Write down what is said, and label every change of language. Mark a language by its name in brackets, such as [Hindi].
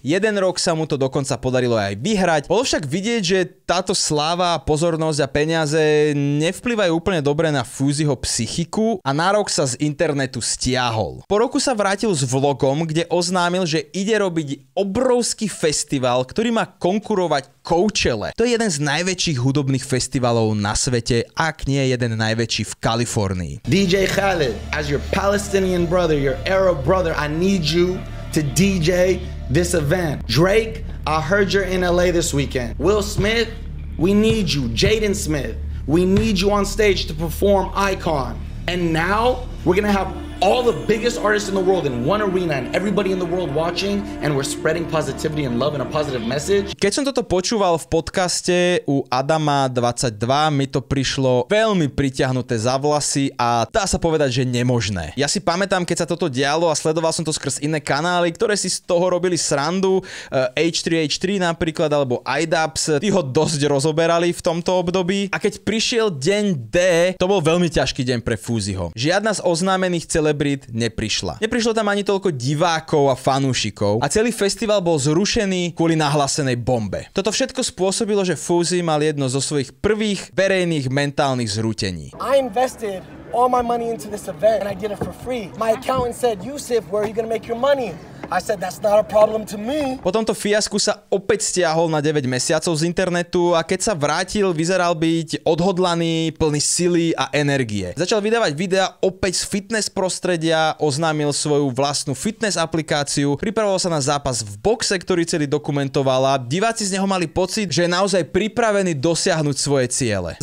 [Slovak] Jeden rok sa mu to dokonca podarilo aj vyhrať. Bolo však vidieť, že táto sláva, pozornosť a peniaze nevplyvajú úplne dobre na Fuseyho psychiku a na rok sa z internetu stiahol. Po roku sa vrátil s vlogom, kde oznámil, že ide robiť obrovský festival, ktorý má konkurovať Coachelle. To je jeden z najväčších hudobných festivalov na svete, ak nie jeden najväčší v Kalifornii. [English] DJ Khaled, as your Palestinian brother, your Arab brother, I need you to DJ this event. Drake, I heard you're in LA this weekend. Will Smith, we need you. Jaden Smith, we need you on stage to perform Icon. And now, We're gonna have all the biggest artists in the world in one arena and everybody in the world watching, and we're spreading positivity and love and a positive message. [Slovak] Keď som toto počúval v podcaste u Adama 22, mi to prišlo veľmi pritiahnuté za vlasy a dá sa povedať, že nemožné. Ja si pamätám, keď sa toto dialo a sledoval som to skrz iné kanály, ktoré si z toho robili srandu, H3H3 napríklad, alebo iDubbbz, tí ho dosť rozoberali v tomto období. A keď prišiel deň D, to bol veľmi ťažký deň pre Fúziho. Žiadna z oznámených celebrit neprišla. Neprišlo tam ani toľko divákov a fanúšikov a celý festival bol zrušený kvôli nahlásenej bombe. Toto všetko spôsobilo, že Fúzi mal jedno zo svojich prvých verejných mentálnych zrútení. [English] All my money into this event, and I did it for free. My accountant said, Yusuf, where are you gonna make your money? I said, that's not a problem to me. [Slovak] Po tomto fiasku sa opäť stiahol na 9 mesiacov z internetu a keď sa vrátil, vyzeral byť odhodlaný, plný sily a energie. Začal vydávať videa opäť z fitness prostredia, oznámil svoju vlastnú fitness aplikáciu, pripravoval sa na zápas v boxe, ktorý celý dokumentoval a diváci z neho mali pocit, že je naozaj pripravený dosiahnuť svoje ciele.